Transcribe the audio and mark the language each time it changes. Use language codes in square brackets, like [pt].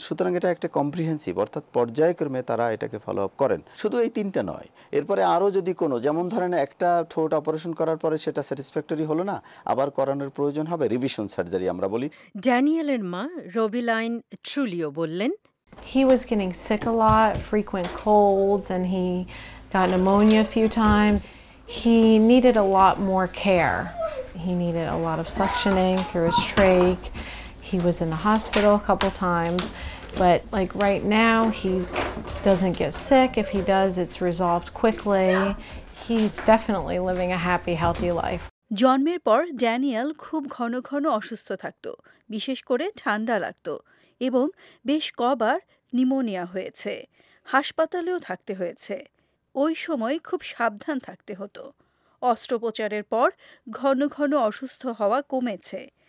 [bn] সুতরাং এটা একটা কমপ্রিহেন্সিভ অর্থাৎ পর্যায়ক্রমে তারা এটাকে ফলো আপ করেন। শুধু এই তিনটা নয়, এরপরে আরও যদি কোনো, যেমন ধরেন একটা ঠোঁট অপারেশন করার পরে সেটা স্যাটিসফ্যাক্টরি হলো না, আবার করানোর প্রয়োজন হবে, রিভিশন সার্জারি আমরা বলি। ড্যানিয়েলের মা রবিলাইন ট্রুলিও বললেন, [en] He was getting sick a lot, frequent colds, and he got pneumonia a few times. He needed a lot more care. He needed a lot of suctioning through his trach. He was in the hospital a couple times. But like right now he doesn't get sick. If he does, it's resolved quickly. He's definitely living a happy, healthy life. [bn] জন্মের পর Daniel খুব ঘন ঘন অসুস্থ থাকত, বিশেষ করে ঠান্ডা লাগত, এবং বেশ কবার নিউমোনিয়া হয়েছে, হাসপাতালেও থাকতে হয়েছে। ওই সময় খুব সাবধান থাকতে হতো। অস্ত্রোপচারের পর ঘন ঘন অসুস্থ হওয়া কমেছে।